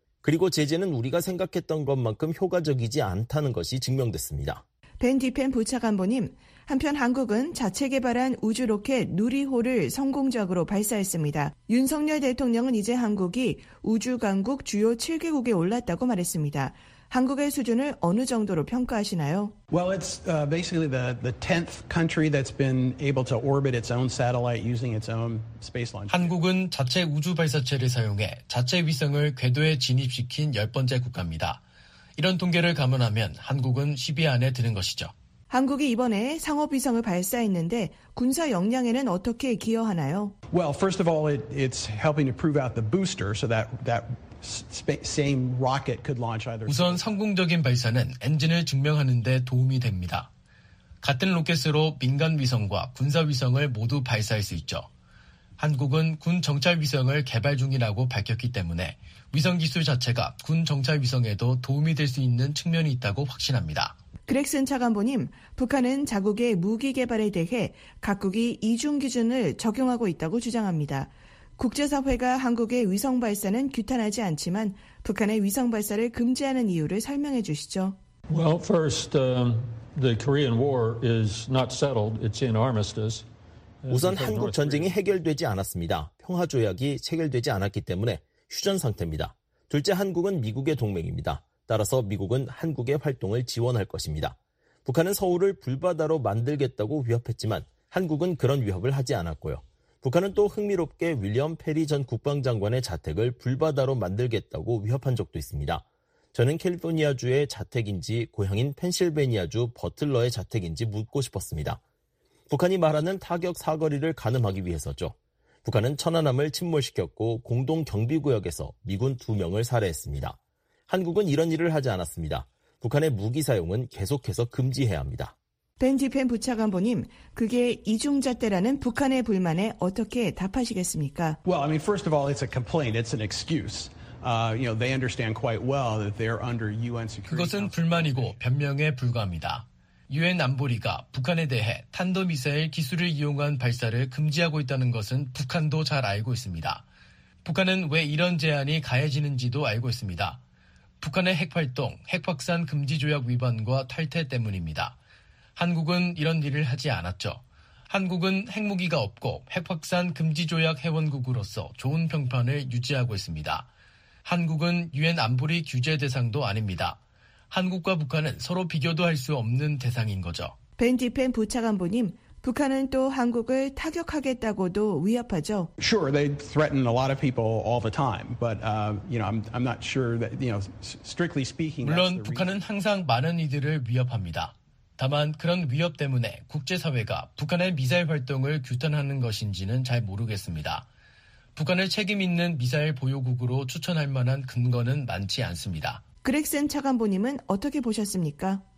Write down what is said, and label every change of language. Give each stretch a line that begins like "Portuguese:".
Korean: 그리고 제재는 우리가 생각했던 것만큼 효과적이지 않다는 것이 증명됐습니다. 벤 디펜 부차관보님, 한편 한국은 자체 개발한 우주 로켓 누리호를 성공적으로 발사했습니다. 윤석열 대통령은 이제 한국이 우주 강국 주요 7개국에 올랐다고 말했습니다. 한국의 수준을 어느 정도로 평가하시나요?
English: Well, it's basically the 10th country that's been able to orbit its own satellite using its own space launch.
Korean: 한국은 자체 우주 발사체를 사용해 자체 위성을 궤도에 진입시킨 10번째 국가입니다. 이런 통계를 감안하면 한국은 10위 안에 드는 것이죠. 한국이 이번에 상업위성을 발사했는데 군사 역량에는 어떻게 기여하나요?
English: Well, first of all, it's helping to prove out the booster, so that same rocket could launch either.
Korean: 우선 성공적인 발사는 엔진을 증명하는 데 도움이 됩니다. 같은 로켓으로 민간 위성과 군사 위성을 모두 발사할 수 있죠. 한국은 군 정찰 위성을 개발 중이라고 밝혔기 때문에 위성 기술 자체가 군 정찰 위성에도 도움이 될 수 있는 측면이 있다고 확신합니다. 그렉슨 차관보님, 북한은 자국의 무기 개발에 대해 각국이 이중 기준을 적용하고 있다고 주장합니다. 국제사회가 한국의 위성 발사는 규탄하지 않지만 북한의 위성 발사를 금지하는 이유를 설명해 주시죠.
English: Well, first, the Korean War is not settled. It's in armistice.
Korean: 우선 한국 전쟁이 해결되지 않았습니다. 평화 조약이 체결되지 않았기 때문에 휴전 상태입니다. 둘째, 한국은 미국의 동맹입니다. 따라서 미국은 한국의 활동을 지원할 것입니다. 북한은 서울을 불바다로 만들겠다고 위협했지만 한국은 그런 위협을 하지 않았고요. 북한은 또 흥미롭게 윌리엄 페리 전 국방장관의 자택을 불바다로 만들겠다고 위협한 적도 있습니다. 저는 캘리포니아주의 자택인지 고향인 펜실베니아주 버틀러의 자택인지 묻고 싶었습니다. 북한이 말하는 타격 사거리를 가늠하기 위해서죠. 북한은 천안함을 침몰시켰고 공동경비구역에서 미군 2명을 살해했습니다. 한국은 이런 일을 하지 않았습니다. 북한의 무기 사용은 계속해서 금지해야 합니다. 벤지펜 부차관보님, 그게 이중잣대라는 북한의 불만에 어떻게 답하시겠습니까?
English: Well, I mean, first of all, it's a complaint. It's an excuse. You know, they understand quite well that they're under UN security.
Korean: 그것은 불만이고 변명에 불과합니다. 유엔 안보리가 북한에 대해 탄도미사일 기술을 이용한 발사를 금지하고 있다는 것은 북한도 잘 알고 있습니다. 북한은 왜 이런 제안이 가해지는지도 알고 있습니다. 북한의 핵활동, 핵확산 금지 조약 위반과 탈퇴 때문입니다. 한국은 이런 일을 하지 않았죠. 한국은 핵무기가 없고 핵확산 금지 조약 회원국으로서 좋은 평판을 유지하고 있습니다. 한국은 유엔 안보리 규제 대상도 아닙니다. 한국과 북한은 서로 비교도 할 수 없는 대상인 거죠. 벤지펜 부차관보님, 북한은 또 한국을 타격하겠다고도 위협하죠.
English: Sure, they threaten a lot of people all the time, but you know, I'm not sure that you know, strictly speaking.
Korean: 물론 북한은 항상 많은 이들을 위협합니다. 다만 그런 위협 때문에 국제사회가 북한의 미사일 활동을 규탄하는 것인지는 잘 모르겠습니다. 북한을 책임 있는 미사일 보유국으로 추천할 만한 근거는 많지 않습니다. 그렉슨 차관보님은 어떻게 보셨습니까?